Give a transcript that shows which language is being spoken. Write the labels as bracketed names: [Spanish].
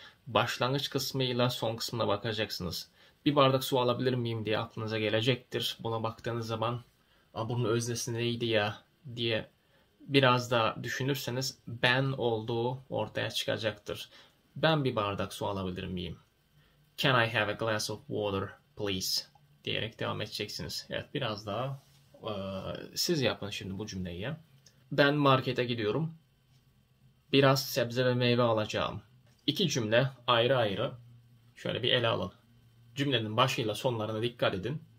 [Turkish] Başlangıç kısmıyla son kısmına bakacaksınız. Bir bardak su alabilir miyim diye aklınıza gelecektir. Buna baktığınız zaman, "Aa, bunun öznesi neydi ya?" diye biraz da düşünürseniz ben olduğu ortaya çıkacaktır. Ben bir bardak su alabilir miyim? [English] Can I have a glass of water, please? [Turkish] Diyerek devam edeceksiniz. Evet, biraz daha siz yapın şimdi bu cümleyi. Ben markete gidiyorum. Biraz sebze ve meyve alacağım. İki cümle ayrı ayrı şöyle bir ele alın. Cümlenin başıyla sonlarına dikkat edin.